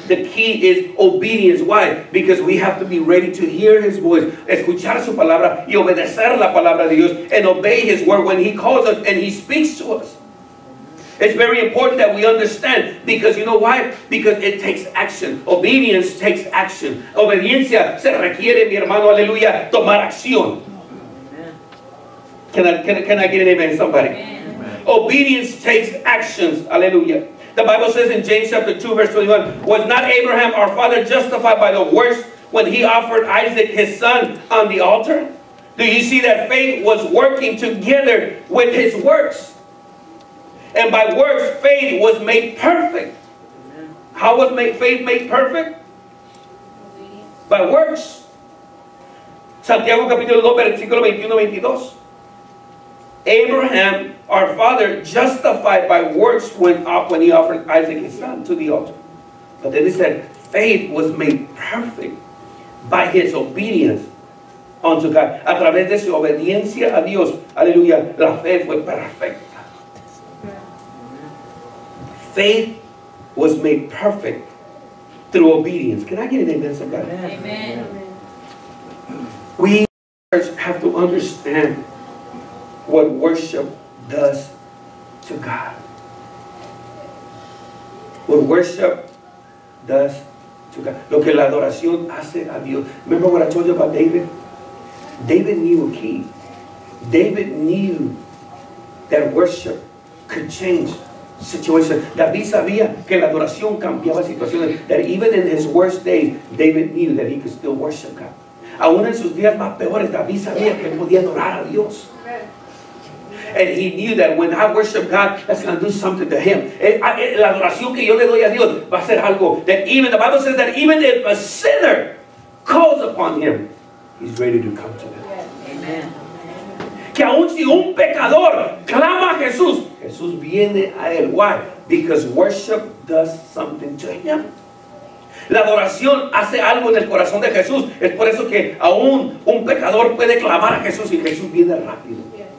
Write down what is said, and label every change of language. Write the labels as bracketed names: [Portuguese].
[English] The key is obedience. Why? Because we have to be ready to hear his voice, [Spanish] escuchar su palabra y obedecer la palabra de Dios, [English] and obey his word when he calls us and he speaks to us. It's very important that we understand, because you know why? Because it takes action. Obedience takes action. [Spanish] Obediencia se requiere, mi hermano, aleluya, tomar acción. [English] Can I get an amen, somebody? Amen. Obedience takes actions, aleluya. The Bible says in James chapter 2, verse 21, was not Abraham our father justified by the works when he offered Isaac his son on the altar? Do you see that faith was working together with his works? And by works, faith was made perfect. Amen. How was faith made perfect? Obedience. By works. [Spanish] Santiago capítulo 2, versículo 21-22. [English] Abraham, our father, justified by works went up when he offered Isaac his son to the altar. But then he said, faith was made perfect by his obedience unto God. [Spanish] A través de su obediencia a Dios, aleluya, la fe fue perfecta. [English] Faith was made perfect through obedience. Can I get an amen, somebody? Amen. We have to understand what worship does to God. What worship does to God. [Spanish] Lo que la adoración hace a Dios. [English] Remember what I told you about David? David knew a key. David knew that worship could change situation. [Spanish] David sabía que la adoración cambiaba situaciones. [English] That even in his worst days, David knew that he could still worship God. [Spanish] Aún en sus días más peores, David sabía que podía adorar a Dios. [English] And he knew that when I worship God, that's going to do something to him. [Spanish] La adoración que yo le doy a Dios va a hacer algo. [English] That even, the Bible says that even if a sinner calls upon him, he's ready to come to him. Amen. [Spanish] Que aún si un pecador clama a Jesús, Jesús viene a él. [English] Why? Because worship does something to him. [Spanish] La adoración hace algo en el corazón de Jesús. Es por eso que aún un pecador puede clamar a Jesús y Jesús viene rápido.